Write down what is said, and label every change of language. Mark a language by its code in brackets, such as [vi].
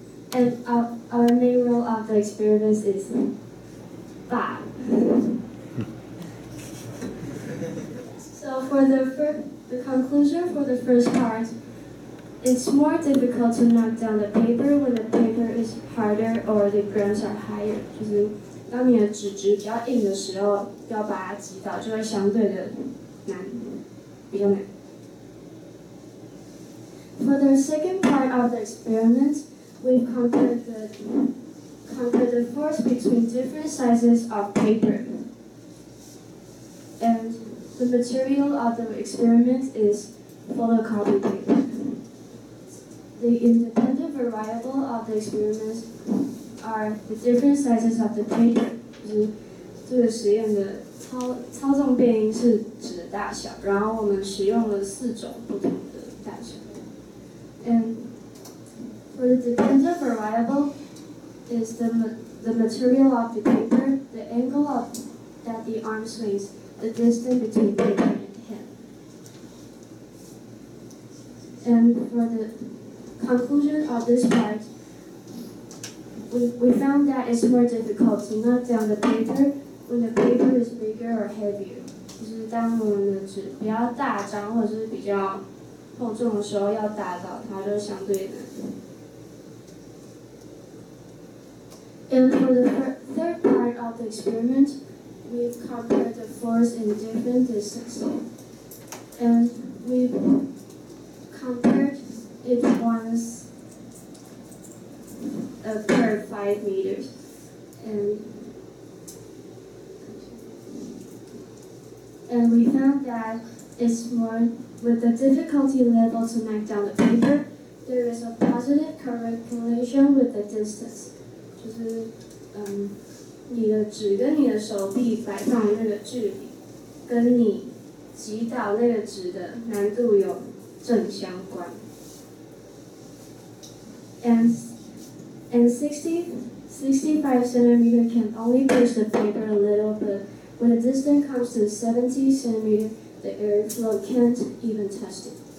[en] And our main role of the experiments is bad. So for the conclusion for the first part, it's more difficult to knock down the paper when the paper is harder or the grams are higher. [zh] 就是当你的纸质比较硬的时候，要把它击倒，就会相对的难，比较难。 [en] For the second part of the experiment, we compare the force between different sizes of paper. And the material of the experiment is photocopy paper. The independent variable of the experiment are the different sizes of the paper. [zh] 就是这个实验的操纵变音是指大小，然后我们使用了四种不同的大小。 [en] And for the dependent variable is the material of the paper, the angle of that the arm swings, the distance between paper and hand. And for the conclusion of this part, we found that it's more difficult to knock down the paper when the paper is bigger or heavier. [zh] 就是当我们的纸比较大张或者是比较厚重的时候，要打倒它就相对难。 [en] And for the third part of the experiment, we compared the force in different distances. And we compared it once per 5 meters. And we found that it's more, with the difficulty level to knock down the paper, there is a positive correlation with the distance. [zh] 就是你的纸跟你的手臂摆放的那个距离跟你击倒那个纸的难度有正相关。 [en] And 65cm can only push the paper a little, but when the distance comes to 70cm, the airflow can't even touch it.